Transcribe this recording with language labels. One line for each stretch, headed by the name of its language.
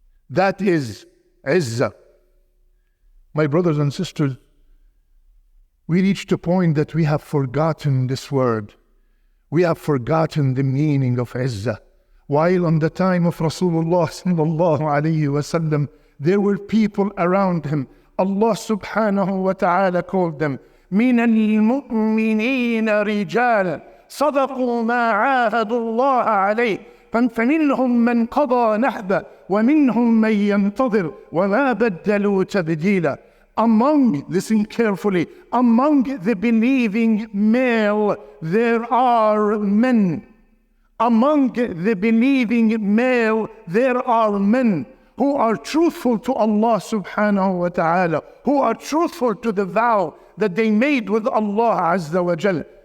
English: That is Izzah. My brothers and sisters, we reached a point that we have forgotten this word. We have forgotten the meaning of Izzah. While on the time of Rasulullah sallallahu alayhi wa sallam, there were people around him. Allah subhanahu wa ta'ala called them,
Arabic: من المؤمنين رجال صدقوا ما عاهدوا الله عليه فمنهم من قضى نحبه ومنهم من ينتظر وما بدلوا تبديلا.
English: Among, listen carefully, among the believing male, there are men. Among the believing male, there are men who are truthful to Allah subhanahu wa ta'ala, who are truthful to the vow that they made with Allah azza wa jal.